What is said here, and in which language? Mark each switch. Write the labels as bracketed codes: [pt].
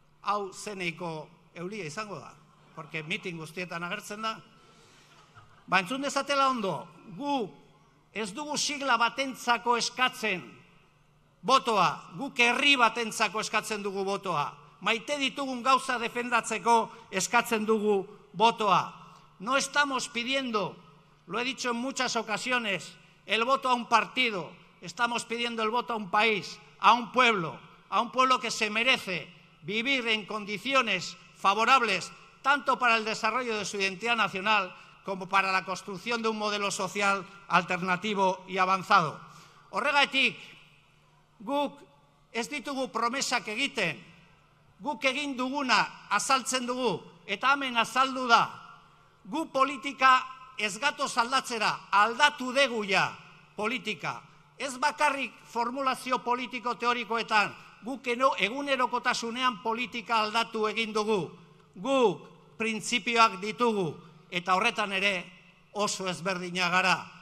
[eu] Hau zeneiko eulia izango da, porque meeting guztietan agertzen da. Ba, entzun dezatela ondo, gu ez dugu sigla batentzako eskatzen botoa, guk herri batentzako eskatzen dugu botoa. Maite ditugun gauza defendatzeko eskatzen dugu botoa. [es] No estamos pidiendo, lo he dicho en muchas ocasiones, el voto a un partido, estamos pidiendo el voto a un país, a un pueblo que se merece vivir en condiciones favorables tanto para el desarrollo de su identidad nacional como para la construcción de un modelo social alternativo y avanzado. [eu] Horregatik, guk ez ditugu promesak egiten, guk egin duguna azaltzen dugu, eta hemen azaldu da, gu politika ez gatoz aldatzera, aldatu dugu ja politika. Ez bakarrik formulazio politiko teorikoetan, guk egunerokotasunean politika aldatu egin dugu, guk printzipioak ditugu, eta horretan ere oso ezberdina gara.